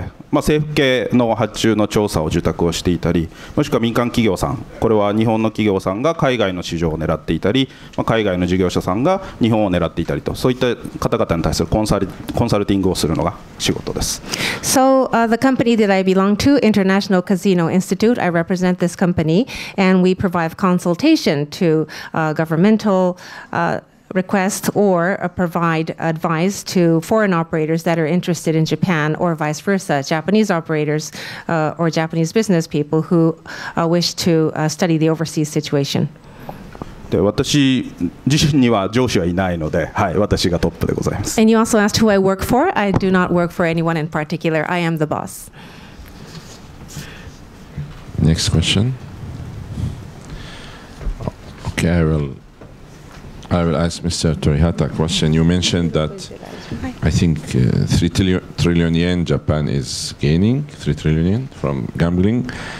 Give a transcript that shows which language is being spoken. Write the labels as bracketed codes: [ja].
[ja] まあ、政府系の発注の調査を受託をしていたり、もしくは民間企業さん、これは日本の企業さんが海外の市場を狙っていたり、まあ、海外の事業者さんが日本を狙っていたりと、そういった方々に対するコンサルティングをするのが仕事です。 [en] So, the company that I belong to, International Casino Institute, I represent this company, and we provide consultation to governmental request or provide advice to foreign operators that are interested in Japan or vice versa, Japanese operators or Japanese business people who wish to study the overseas situation. [ja] で、私自身には上司はいないので、はい、私がトップでございます。 [en] And you also asked who I work for. I do not work for anyone in particular. I am the boss. Next question. Okay, I will ask Mr. Torihata a question. You mentioned that I think 3 trillion yen Japan is gaining, 3 trillion yen from gambling.